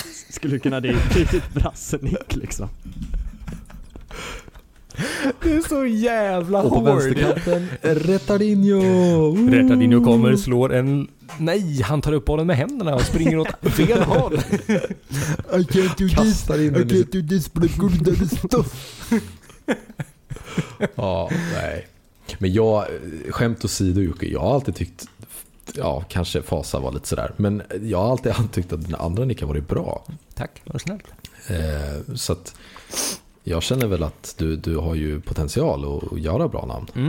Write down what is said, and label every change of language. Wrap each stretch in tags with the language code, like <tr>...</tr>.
<sv>Skulle kunna det bli ett brassenick liksom. Det är så jävla hård. Och på vänsterkanten, Rättardinho. Rättardinho kommer, slår en... Nej, han tar upp bollen med händerna och springer åt fel håll.</sv> <en>I can't do this. I can't do this, but I'm good at this stuff.</en> <sv>Ja, nej. Men jag, skämt åsido, Jocke, jag har alltid tyckt... Ja, kanske Fasa var lite sådär. Men jag har alltid tyckt att den andra nicken har varit bra. Tack, var snäll. Så att... Jag känner väl att du har ju potential att göra bra namn.</sv>